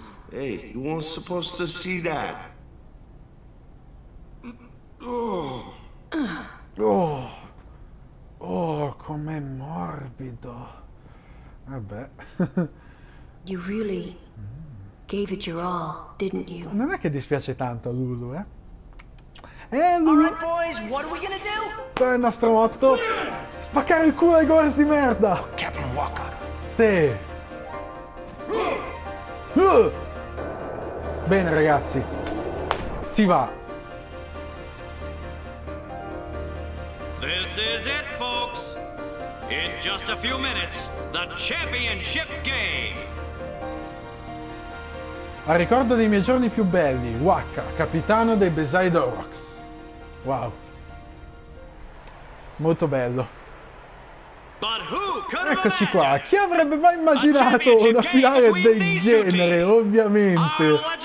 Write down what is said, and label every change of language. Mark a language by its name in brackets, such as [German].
[English] Hey, you weren't supposed to see that. [Italian] Oh, com'è morbido. Vabbè. You really gave it your all, didn't you? Non è che dispiace tanto a Lulu, eh? [English] Alright boys, what are we gonna do? [Italian] Qual è il nostro motto? Spaccare il culo ai gores di merda! [English] Oh, Captain Walker! [Italian] Sì! Bene ragazzi! Si va! [English] This is it folks! In just a few minutes, the championship game! [Italian] A ricordo dei miei giorni più belli, Waka, capitano dei Beside Orocs. Wow. Molto bello. [English] But who could have [Italian] Eccoci qua, chi avrebbe mai immaginato una finale del genere, ovviamente.